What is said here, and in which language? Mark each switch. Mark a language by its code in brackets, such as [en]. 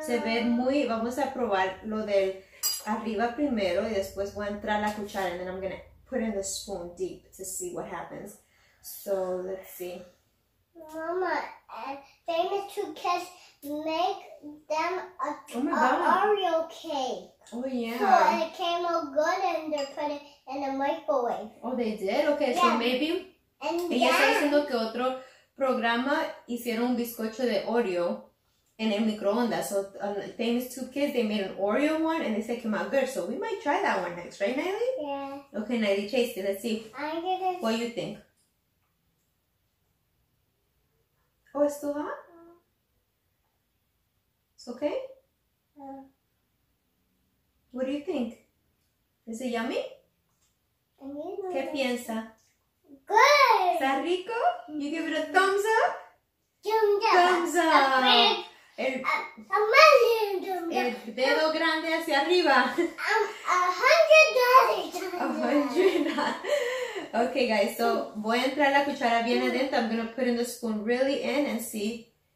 [es] Se ve muy... Vamos a probar lo del... arriba primero y después voy a entrar la cuchara, [en] and then I'm gonna put in the spoon deep to see what happens. So let's see. Mama, they need to catch, make them an Oreo cake. Oh yeah. So it came out good, and they put it in the microwave. Oh, they did. Okay, yeah. So maybe. And [es] ella está diciendo que otro programa hicieron un bizcocho de Oreo en el microondas. [en] So famous two kids, they made an Oreo one and they said it came out good. So we might try that one next, right, Nailee? Yeah. Okay, Nailee, taste it. Let's see. What do you think? Oh, it's too hot? It's okay? Yeah. What do you think? Is it yummy? [es] ¿Qué piensa? [en] Good! [es] ¿Está rico? [en] You give it a thumbs up? Thumbs up! [es] El dedo grande hacia arriba. [en] A hundred. Okay, guys, so [es] voy a entrar la cuchara bien adentro. [en] I'm gonna put in the spoon really in and see.